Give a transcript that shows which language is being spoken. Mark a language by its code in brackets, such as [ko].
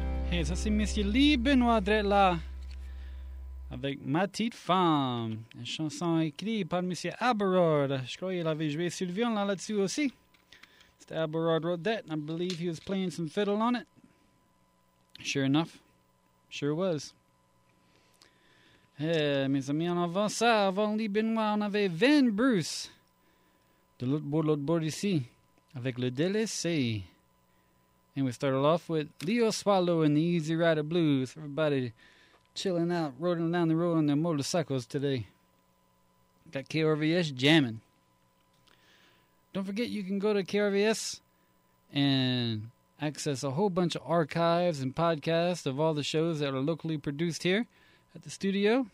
[fr] Merci, Monsieur Lee Benoit Dretla, avec Ma Petite Femme, une chanson écrite par Monsieur Abelard. Je crois qu'il avait joué sur le violon là-dessus aussi. [en] Mr. Abelard wrote that, and I believe he was playing some fiddle on it. Sure enough, sure was. [fr] Eh, mes amis, en avant ça, avant Lee Benoit, on avait Van Bruce, de l'autre bord ici, avec le délaissé. [en] And we started off with Leo Swallow and the Easy Rider Blues. Everybody chilling out, rolling down the road on their motorcycles today. Got KRVS jamming. Don't forget you can go to KRVS and access a whole bunch of archives and podcasts of all the shows that are locally produced here at the studio.